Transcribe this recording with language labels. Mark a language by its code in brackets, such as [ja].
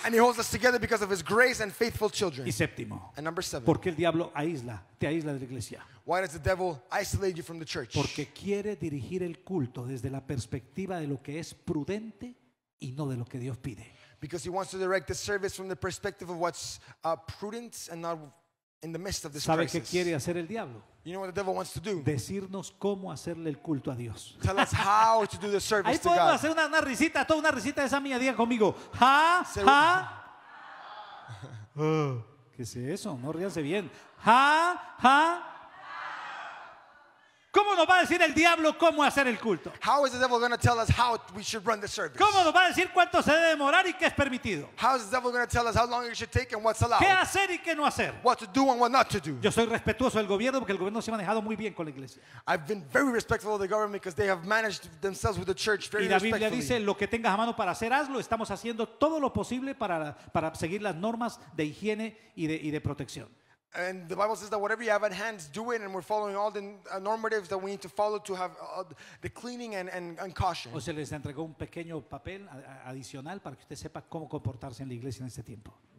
[en] And he holds us together because of his grace and faithful children. [es] Y séptimo. [en] And number seven. [es] Porque el diablo te aísla de la iglesia. [en] Why does the devil isolate you from the church? [es] Porque quiere dirigir el culto desde la perspectiva de lo que es prudente y no de lo que Dios pide. [en] Because he wants to direct the service from the perspective of what's prudent and not in the midst of this [es] ¿Sabe [en] crisis. [es] ¿Qué quiere hacer el diablo? [en] You know what the devil wants to do? [es] Decirnos cómo hacerle el culto a Dios. [en] Tell us how to do the service to God. [es] Ahí podemos hacer una risita, toda una risita de esa mía, diga conmigo. ¿Ja? ¿Ja? ¿Qué es eso? No ríanse bien. ¿Ja? ¿Ja? ¿Cómo nos va a decir el diablo cómo hacer el culto? [en] How is the devil going to tell us how we should run the service? [es] ¿Cómo nos va a decir cuánto se debe demorar y qué es permitido? [en] How is the devil going to tell us how long it should take and what's allowed? [es] ¿Qué hacer y qué no hacer? [en] What to do and what not to do? [es] Yo soy respetuoso del gobierno porque el gobierno se ha manejado muy bien con la iglesia. [en] I've been very respectful of the government because they have managed themselves with the church very respectfully. [es] Y la Biblia dice lo que tengas a mano para hacer hazlo. Estamos haciendo todo lo posible para seguir las normas de higiene y de protección. [en] And the Bible says that whatever you have at hand, do it, and we're following all the normatives that we need to follow to have the cleaning and caution. [es] O se les entregó un pequeño papel adicional para que usted sepa cómo comportarse en la iglesia en este tiempo.